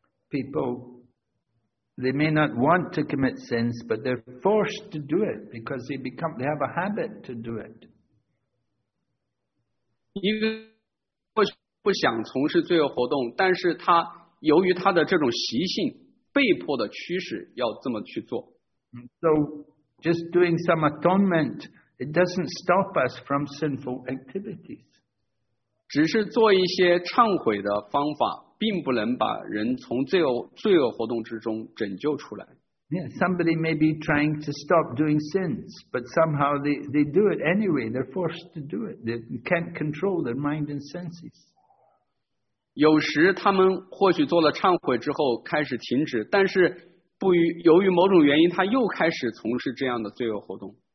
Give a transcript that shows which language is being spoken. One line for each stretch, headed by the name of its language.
English: People, they may not want to commit sins, but they're forced to do it because they have a habit to do it.
Chinese: 一个不想从事罪恶活动，但是他由于他的这种习性，被迫的驱使要这么去做。
English: So, just doing some atonement. It doesn't stop us from sinful activities.
Chinese: 只是做一些忏悔的方法，并不能把人从罪恶活动之中拯救出来。
English: Yeah, somebody may be trying to stop doing sins, but somehow they do it anyway. They're forced to do it. They can't control their mind and senses.
Chinese: 有时他们或许做了忏悔之后开始停止，但是由于某种原因，他又开始从事这样的罪恶活动。